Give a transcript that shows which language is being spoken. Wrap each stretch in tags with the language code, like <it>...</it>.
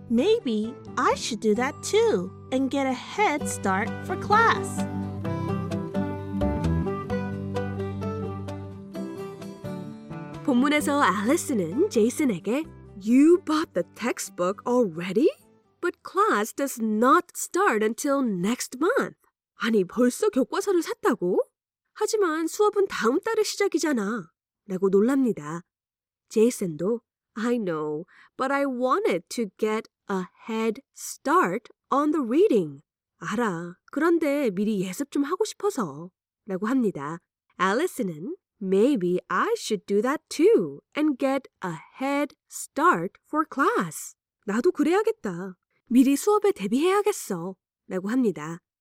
<en>Maybe I should do that too and get a head start for class.</en> <ko>본문에서 Allison은 Jason에게</ko> <en>You bought the textbook already? But class does not start until next month.</en> <ko>아니, 벌써 교과서를 샀다고? 하지만 수업은 다음 달에 시작이잖아. 라고 놀랍니다.</ko> <en>제이슨도 I know, but I wanted to get a head start on the reading.</en> <ko>알아, 그런데 미리 예습 좀 하고 싶어서 라고 합니다.</ko> <en>앨리슨은 Maybe I should do that too and get a head start for class.</en> <ko>나도 그래야겠다. 미리 수업에 대비해야겠어 라고 합니다.</ko>